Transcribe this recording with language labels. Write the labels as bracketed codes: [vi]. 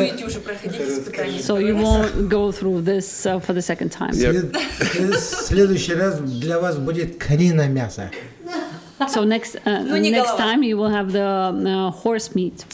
[en] So you won't go through this for the second time. [ru] Следующий раз для вас будет куриное мясо. [en] So next time you will have the horse meat.